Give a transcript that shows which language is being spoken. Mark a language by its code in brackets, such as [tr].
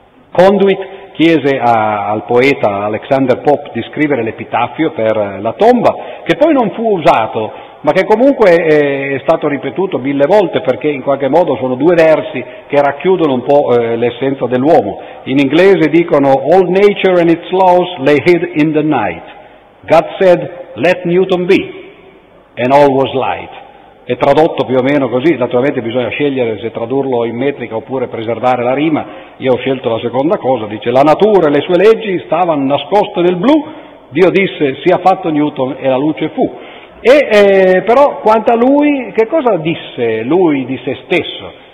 [it] Conduit chiese al poeta Alexander Pope di scrivere l'epitaffio per la tomba, che poi non fu usato, ma che comunque è stato ripetuto 1000 volte, perché in qualche modo sono 2 versi che racchiudono un po' l'essenza dell'uomo. In inglese dicono: [en] all nature and its laws lay hid in the night. God said, let Newton be, and all was light. [it] È tradotto più o meno così. Naturalmente bisogna scegliere se tradurlo in metrica oppure preservare la rima. Io ho scelto la seconda cosa. Dice: la natura e le sue leggi stavano nascoste nel blu, Dio disse sia fatto Newton e la luce fu. E però quanto a lui, che cosa disse lui di se stesso?